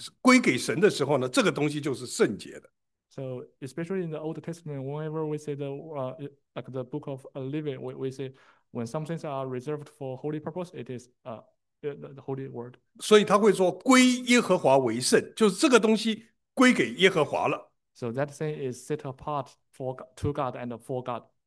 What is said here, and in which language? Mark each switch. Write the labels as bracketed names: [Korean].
[Chinese] 归给神的时候呢，这个东西就是圣洁的。 [English] So, especially in the Old Testament, whenever we say like the Book of Living, we say when some things are reserved for holy purpose, it is the holy word. [Chinese] 所以他会说："归耶和华为圣，就是这个东西归给耶和华了。 [English] So that thing is set apart to God and for God.